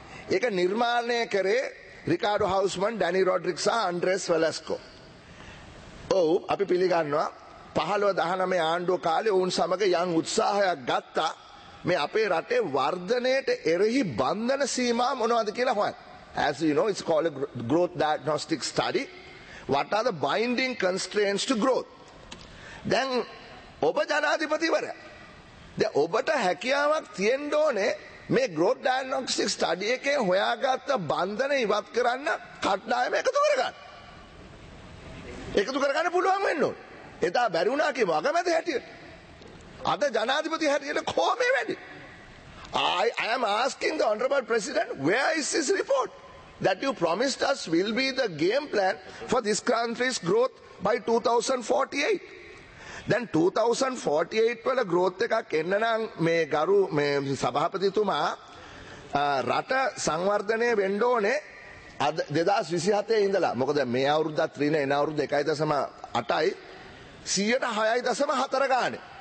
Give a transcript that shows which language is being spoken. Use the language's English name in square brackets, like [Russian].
[Sinhala] ඒක නිර්මාණය කරේ රිකාඩෝ හවුස්මන්, ඩැනි රොඩ්රික් සහ ඇන්ඩ්‍රෙස් වෙලස්කෝ. ඔව්, අපි පිළිගන්නවා 15-19 ආණ්ඩුව කාලේ ඔවුන් සමග යම් උත්සාහයක් ගත්තා මේ අපේ රටේ වර්ධනයට එරෙහි බන්ධන සීමා මොනවද කියලා හොයන්. [English] As you know, it's called a growth diagnostic study. What are the binding constraints to growth? [Sinhala] දැන් ඔබ ජනාධිපතිවරයා, දැන් ඔබට හැකියාවක් තියෙන්න ඕනේ මේ [English] growth diagnostic study [Sinhala] එකේ හොයාගත්ත බන්ධන ඉවත් කරන්න කඩදායම එකතු කරගන්න. එකතු කරගන්න පුළුවන් වෙන්නේ නැහැ. එදා බැරි වුණා කියමු අගමැද හැටියට. අද ජනාධිපති හැටියට කොහොම වෙන්නේ? [English] I am asking the honorable president, where is this report that you promised us will be the game plan for this country's growth by 2048? [Sinhala] දැන් 2048 වල growth එකක් එන්න නම් මේ ගරු මේ සභාපතිතුමා රට සංවර්ධනය වෙන්න ඕනේ අද 2027 ඉඳලා. මොකද මේ අවුරුද්දත් ඍණ එන අවුරුදු 1.8යි 106.4 ගානේ.